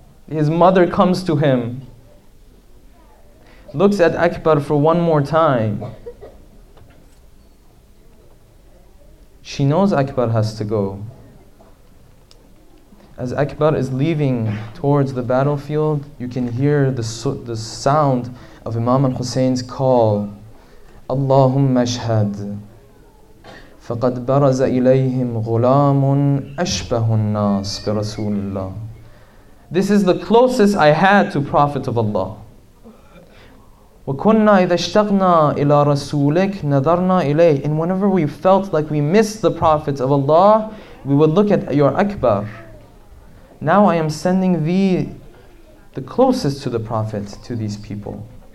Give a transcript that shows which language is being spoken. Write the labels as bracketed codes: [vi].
[en] His mother comes to him, looks at Akbar for one more time. She knows Akbar has to go. As Akbar is leaving towards the battlefield, you can hear the sound of Imam al-Hussein's call. [ar] اللهم اشهد فقد برز إليهم غلام أشبه الناس برسول الله. [en] This is the closest I had to Prophet of Allah. [ar] وَكُنَّا إِذَا اشْتَقْنَا إِلَىٰ رَسُولِكْ نَذَرْنَا إِلَيْهِ. [en] And whenever we felt like we missed the Prophet of Allah, we would look at your Akbar. Now I am sending thee the closest to the Prophet, to these people.